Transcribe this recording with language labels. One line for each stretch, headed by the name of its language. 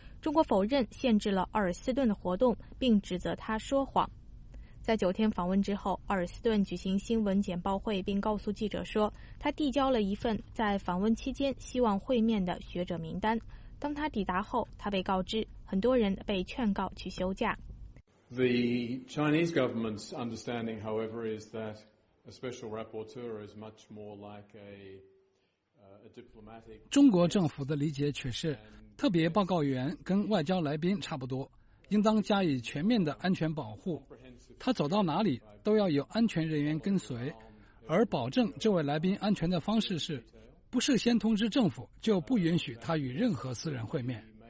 Chinese: 中国否认限制了奥尔斯顿的活动，并指责他说谎。在九天访问之后，奥尔斯顿举行新闻简报会，并告诉记者说，他递交了一份在访问期间希望会面的学者名单。当他抵达后，他被告知很多人被劝告去休假。
English: The Chinese government's understanding, however, is that a special rapporteur is much more like a...
Chinese: 中国政府的理解却是，特别报告员跟外交来宾差不多，应当加以全面的安全保护。他走到哪里都要有安全人员跟随，而保证这位来宾安全的方式是，不事先通知政府，就不允许他与任何私人会面。